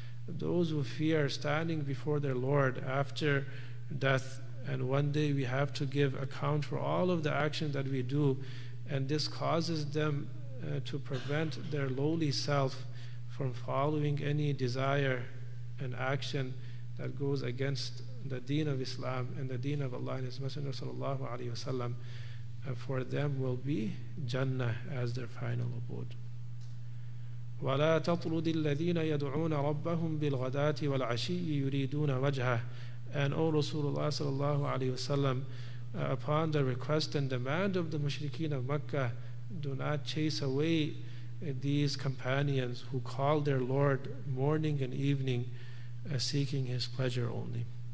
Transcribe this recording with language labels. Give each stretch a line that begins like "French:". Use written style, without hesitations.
English: Those who fear standing before their Lord after death, and one day we have to give account for all of the action that we do, and this causes them to prevent their lowly self from following any desire and action that goes against the deen of Islam and the deen of Allah and His Messenger sallallahu alayhi wa sallam, for them will be Jannah as their final abode.
Arabic: ولا تطرد الذين يدعون ربهم بالغداة والعشي يريدون وجهه.
English: And O Rasulullah sallallahu alayhi wa sallam, upon the request and demand of the mushrikeen of Makkah, do not chase away these companions who call their Lord morning and evening, seeking His pleasure only.